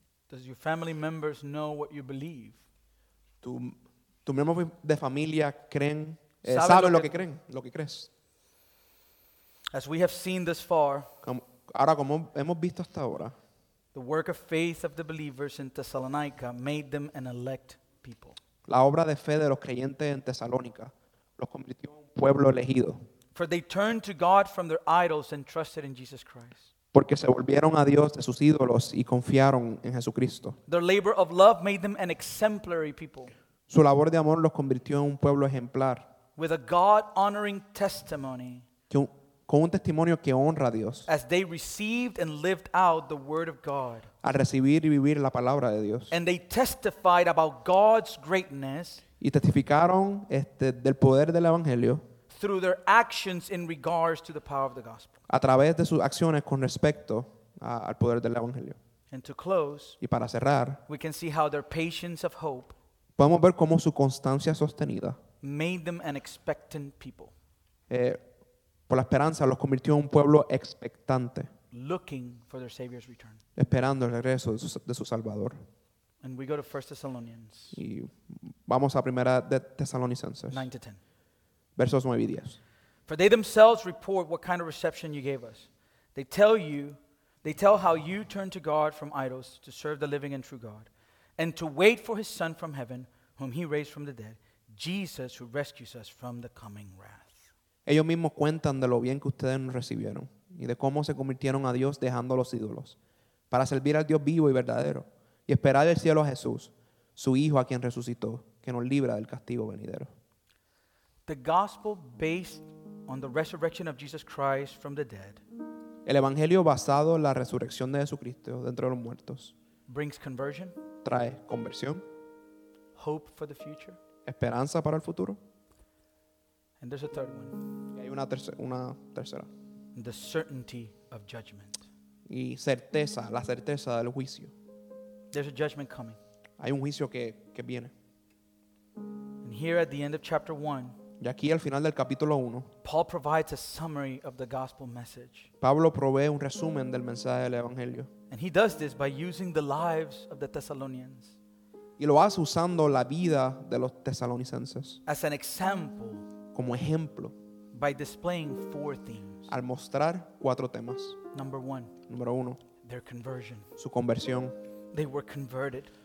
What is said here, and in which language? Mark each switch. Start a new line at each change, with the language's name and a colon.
English: Does your family members know what you believe?
Spanish: Tu miembro de familia creen, sabe lo que creen, lo que crees.
English: As we have seen this far,
Spanish: como hemos visto hasta ahora,
English: the work of faith of the believers in Thessalonica made them an elect people.
Spanish: La obra de fe de los creyentes en Tesalónica los convirtió en un pueblo elegido.
English: For they turned to God from their idols and trusted in Jesus Christ.
Spanish: Porque se volvieron a Dios de sus ídolos y confiaron en Jesucristo.
English: Their labor of love made them an exemplary people.
Spanish: Su labor de amor los convirtió en un pueblo ejemplar.
English: With a God-honoring testimony.
Spanish: Con un testimonio que honra a Dios.
English: As they received and lived out the word of God.
Spanish: Al recibir y vivir la palabra de Dios.
English: And they testified about God's greatness.
Spanish: Y testificaron del poder del evangelio.
English: Through their actions in regards to the power of the gospel.
Spanish: A través de sus acciones con respecto al poder del evangelio.
English: And to close,
Spanish: y para cerrar,
English: we can see how their patience of hope,
Spanish: podemos ver cómo su constancia sostenida,
English: made them an expectant people.
Spanish: Por la esperanza los convirtió en un pueblo expectante,
English: looking for their Savior's return.
Spanish: Esperando el regreso de su Salvador.
English: And we go to 1 Thessalonians.
Spanish: Y vamos a Primera de Tesalonicenses.
English: 9 to 10.
Spanish: Versos 9 y 10.
English: For they themselves report what kind of reception you gave us. They tell how you turned to God from idols to serve the living and true God, and to wait for his Son from heaven, whom he raised from the dead, Jesus, who rescues us from the coming wrath.
Spanish: Ellos mismos cuentan de lo bien que ustedes nos recibieron y de cómo se convirtieron a Dios dejando los ídolos para servir al Dios vivo y verdadero y esperar del cielo a Jesús, su Hijo a quien resucitó, que nos libra del castigo venidero.
English: The gospel based on the resurrection of Jesus Christ from the dead.
Spanish: El evangelio basado en la resurrección de Jesucristo dentro de los muertos.
English: Brings conversion.
Spanish: Trae conversión.
English: Hope for the future.
Spanish: Esperanza para el futuro.
English: And there's a third one.
Spanish: Y hay una tercera.
English: The certainty of judgment.
Spanish: Y certeza, la certeza del juicio.
English: There's a judgment coming.
Spanish: Hay un juicio que viene.
English: And here at the end of chapter 1.
Spanish: Y aquí al final del capítulo 1.
English: Paul provides a summary of the gospel message.
Spanish: Pablo provee un resumen del mensaje del evangelio.
English: And he does this by using the lives of the Thessalonians.
Spanish: Y lo hace usando la vida de los tesalonicenses.
English: As an example.
Spanish: Como ejemplo.
English: By displaying four themes.
Spanish: Al mostrar cuatro temas.
English: Number one.
Spanish: Número uno.
English: Their conversion.
Spanish: Su conversión.
English: They were converted.